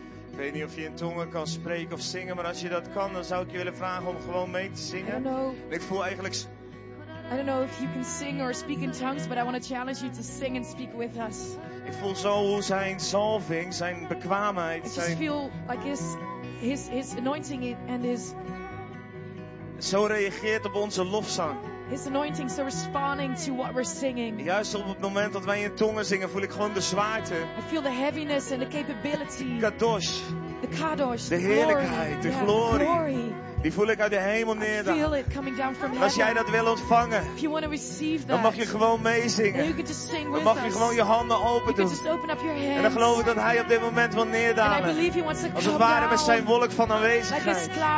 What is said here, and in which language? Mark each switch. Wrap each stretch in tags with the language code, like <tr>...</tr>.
<nl>Ik weet niet of je in tongen kan spreken of zingen, maar als je dat kan, dan zou ik je willen vragen om gewoon mee te zingen. Ik voel eigenlijk.</nl> <en>I don't know if you can sing or speak in tongues, but I want to challenge you to sing and speak with us.</en> <nl>Ik voel zo hoe zijn zalving, zijn bekwaamheid, zijn.</nl> <en>I just feel like his anointing and his.</en> <nl>Zo reageert op onze lofzang.</nl> <en>His anointing so responding to what we're singing.</en> <nl>Juist op het moment dat wij in tongen zingen, voel ik gewoon de zwaarte.</nl> <en>I feel the heaviness and the capability.</en> <he>Kadosh.</he> <en>the kadosh,</en> <nl>de heerlijkheid, de glorie. Die voel ik uit de hemel neerdalen. Als jij dat wil ontvangen, dan mag je gewoon meezingen. Dan mag je gewoon je handen open doen. En dan geloof ik dat Hij op dit moment wil neerdalen. Als het ware met zijn wolk van aanwezigheid.</nl>